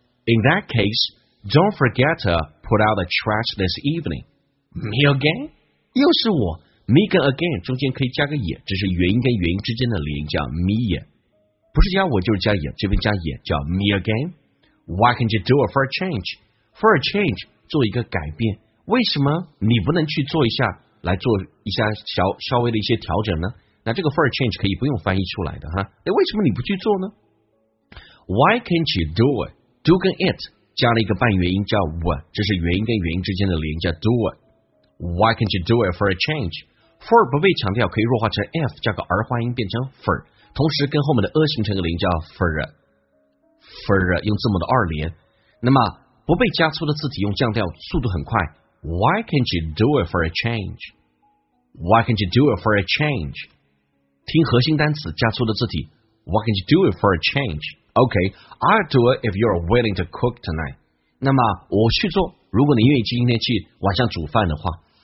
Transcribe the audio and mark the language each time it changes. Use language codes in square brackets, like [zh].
[en] In that case, don't forget to put out the trash this evening. Me again? [zh] 又是我。Me 跟 again 中间可以加个也，这是元音跟元音之间的连音叫 me 也。不是加我就是加也，这边加也叫 [en] me again. Why can't you do it for a change? For a change, [zh] 做一个改变。为什么你不能去做一下，来做一下稍微的一些调整呢？那这个 [en] for a change [zh] 可以不用翻译出来的哈。哎，为什么你不去做呢 ？ [en] Why can't you do it? [zh] Do 跟 it 加了一个半元音叫 w， 这是元音跟元音之间的连音叫 do it。 [en] Why can't you do it for a change? [zh] For 不被强调，可以弱化成 f 加个儿化音变成 for， 同时跟后面的 a 形成个连音叫 for 用字母的二连。那么不被加粗的字体用降调，速度很快。 [en] Why can't you do it for a change? Why can't you do it for a change? [zh] 听核心单词加粗的字体。 [en] Why can't you do it for a change? Okay, I'll do it if you're willing to cook tonight. [zh] 那么我去做，如果你愿意今天去晚上煮饭的话。